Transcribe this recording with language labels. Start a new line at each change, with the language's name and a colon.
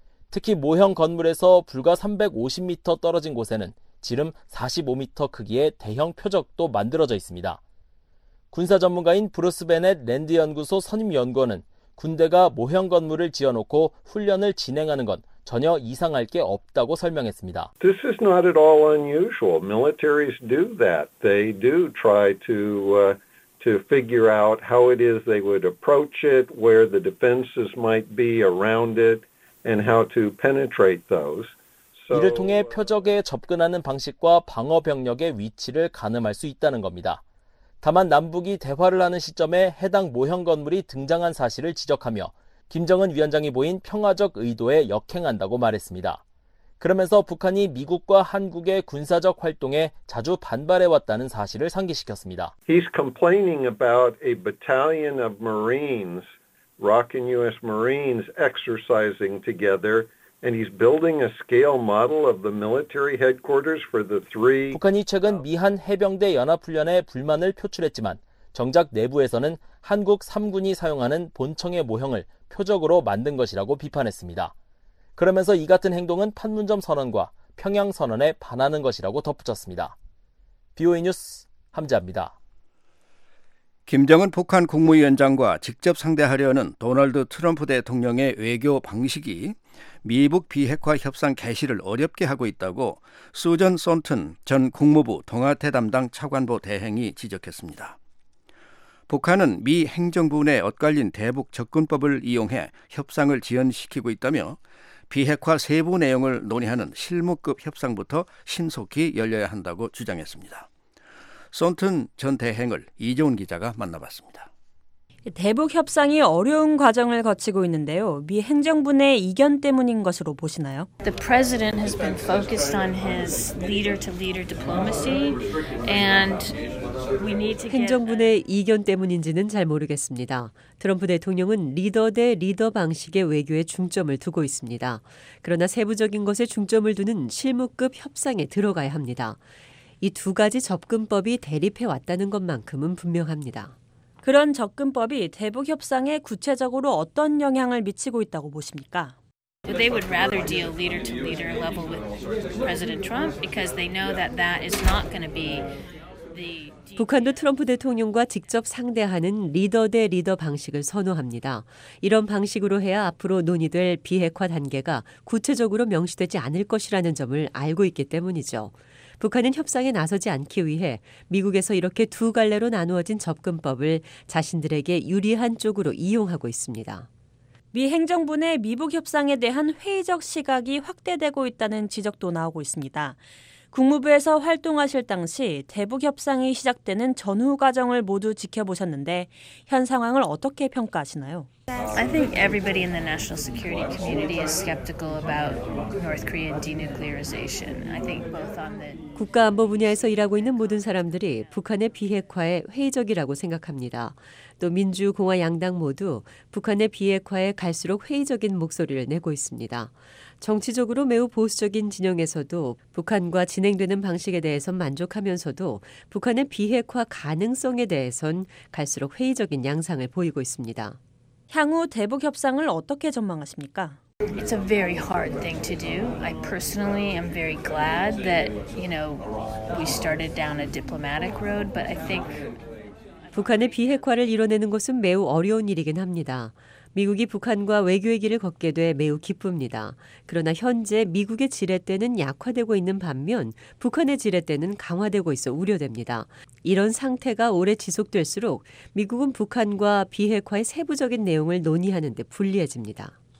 Korean: 특히 모형 건물에서 불과 350m 떨어진 곳에는 지름 45m 크기의 대형 표적도 만들어져 있습니다. 군사 전문가인 브루스 베넷 랜드 연구소 선임 연구원은 군대가 모형 건물을 지어놓고 훈련을 진행하는 건 전혀 이상할 게 없다고 설명했습니다.
English: This is not at all unusual. Militaries do that. They do try to figure out how it is they would approach it, where the defenses might be around it, and how to penetrate those.
Korean: 이를 통해 표적에 접근하는 방식과 방어 병력의 위치를 가늠할 수 있다는 겁니다. 다만 남북이 대화를 하는 시점에 해당 모형 건물이 등장한 사실을 지적하며 김정은 위원장이 보인 평화적 의도에 역행한다고 말했습니다. 그러면서 북한이 미국과 한국의 군사적 활동에 자주 반발해왔다는 사실을 상기시켰습니다.
English: He's complaining about a battalion of Marines, Iraqi and U.S. Marines, exercising together. And he's building a scale model of the military headquarters for the three.
Korean: 북한이 최근 미한 해병대 연합훈련에 불만을 표출했지만 정작 내부에서는 한국 3군이 사용하는 본청의 모형을 표적으로 만든 것이라고 비판했습니다. 그러면서 이 같은 행동은 판문점 선언과 평양 선언에 반하는 것이라고 덧붙였습니다. BOA 뉴스 함재합니다. 김정은 북한 국무위원장과 직접 상대하려는 도널드 트럼프 대통령의 외교 방식이 미북 비핵화 협상 개시를 어렵게 하고 있다고 수전 손튼 전 국무부 동아태 담당 차관보 대행이 지적했습니다. 북한은 미 행정부 내 엇갈린 대북 접근법을 이용해 협상을 지연시키고 있다며 비핵화 세부 내용을 논의하는 실무급 협상부터 신속히 열려야 한다고 주장했습니다. 손튼 전 대행을 이종훈 기자가 만나봤습니다. 대북 협상이 어려운 과정을 거치고 있는데요. 미 행정부 내 이견 때문인 것으로 보시나요?
English: The president has been focused on his leader-to-leader diplomacy and
Korean: 행정부 내 이견 때문인지는 잘 모르겠습니다. 트럼프 대통령은 리더 대 리더 방식의 외교에 중점을 두고 있습니다. 그러나 세부적인 것에 중점을 두는 실무급 협상에 들어가야 합니다. 이 두 가지 접근법이 대립해왔다는 것만큼은 분명합니다. 그런 접근법이 대북 협상에 구체적으로 어떤 영향을 미치고 있다고 보십니까?
English: They would rather deal leader to leader level with President Trump because they know that that is not going to be the
Korean: 북한도 트럼프 대통령과 직접 상대하는 리더 대 리더 방식을 선호합니다. 이런 방식으로 해야 앞으로 논의될 비핵화 단계가 구체적으로 명시되지 않을 것이라는 점을 알고 있기 때문이죠. 북한은 협상에 나서지 않기 위해 미국에서 이렇게 두 갈래로 나누어진 접근법을 자신들에게 유리한 쪽으로 이용하고 있습니다. 미 행정부 내 미북 협상에 대한 회의적 시각이 확대되고 있다는 지적도 나오고 있습니다. 국무부에서 활동하실 당시 대북 협상이 시작되는 전후 과정을 모두 지켜보셨는데 현 상황을 어떻게 평가하시나요?
English: I think everybody in the national security community is skeptical about North Korean denuclearization. I think both on the
Korean: 국가안보 분야에서 일하고 있는 모든 사람들이 북한의 비핵화에 회의적이라고 생각합니다. 또 민주, 공화 양당 모두 북한의 비핵화에 갈수록 회의적인 목소리를 내고 있습니다. 정치적으로 매우 보수적인 진영에서도 북한과 진행되는 방식에 대해선 만족하면서도 북한의 비핵화 가능성에 대해선 갈수록 회의적인 양상을 보이고 있습니다. 향후 대북 협상을 어떻게 전망하십니까?
English: It's a very hard thing to do. I personally am very glad that, you know, we started down a diplomatic road, but I think
Korean: 북한의 비핵화를 이뤄내는 것은 매우 어려운 일이긴 합니다. 미국이 북한과 외교의 길을 걷게 돼 매우 기쁩니다. 그러나 현재 미국의 지렛대는 약화되고 있는 반면 북한의 지렛대는 강화되고 있어 우려됩니다. 이런 상태가 오래 지속될수록 미국은 북한과 비핵화의 세부적인 내용을 논의하는 데 불리해집니다.